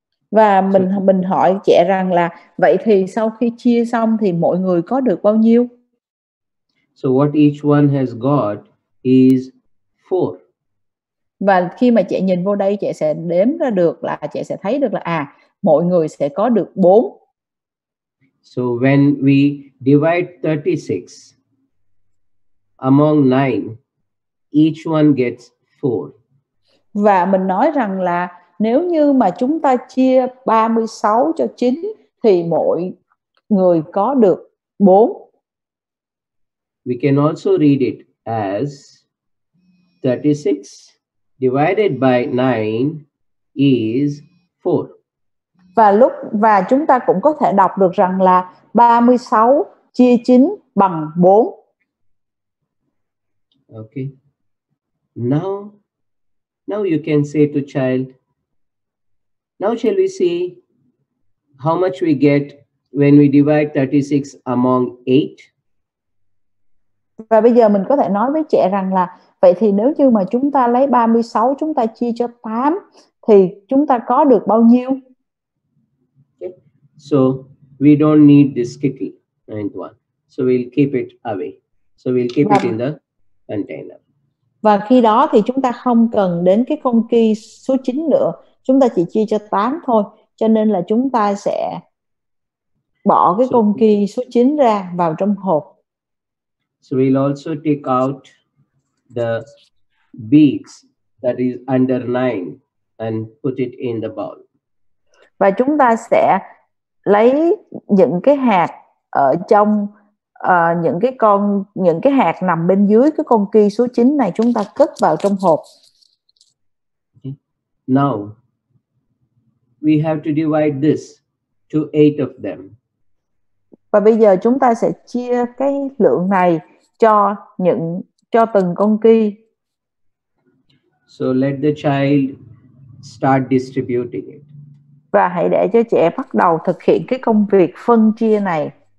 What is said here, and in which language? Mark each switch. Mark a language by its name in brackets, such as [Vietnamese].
[Vietnamese] Và mình hỏi trẻ rằng là vậy thì sau khi chia xong thì mỗi người có được bao nhiêu? [English] So what each one has got is 4. [Vietnamese] Và khi mà trẻ nhìn vô đây, trẻ sẽ đếm ra được là trẻ sẽ thấy được là à, mỗi người sẽ có được 4. [English] So when we divide 36 among 9, each one gets 4. [Vietnamese] Và mình nói rằng là nếu như mà chúng ta chia 36 cho 9 thì mỗi người có được 4. [English] We can also read it as 36 divided by 9 is 4. [Vietnamese] Và chúng ta cũng có thể đọc được rằng là 36 chia 9 bằng 4. [English] Okay. Now you can say to child, now shall we see how much we get when we divide 36 among 8? [Vietnamese] Và bây giờ mình có thể nói với trẻ rằng là vậy thì nếu như mà chúng ta lấy 36 chúng ta chia cho 8 thì chúng ta có được bao nhiêu? [English] Okay. So we don't need this kitty, ninth one. So we'll keep it away. So we'll keep it in the container. [Vietnamese] Và khi đó thì chúng ta không cần đến cái con key số 9 nữa. Chúng ta chỉ chia cho 8 thôi. Cho nên là chúng ta sẽ bỏ cái con key số 9 ra vào trong hộp. [English] So we'll also take out the beads that is under 9 and put it in the bowl. [Vietnamese] Và chúng ta sẽ lấy những cái hạt ở trong những cái hạt nằm bên dưới cái con key số 9 này chúng ta cất vào trong hộp. [English] Okay. Now we have to divide this to 8 of them. [Vietnamese] Và bây giờ chúng ta sẽ chia cái lượng này cho từng con key. [English] So let the child start distributing it. [Vietnamese] Và hãy để cho trẻ bắt đầu thực hiện cái công việc phân chia này.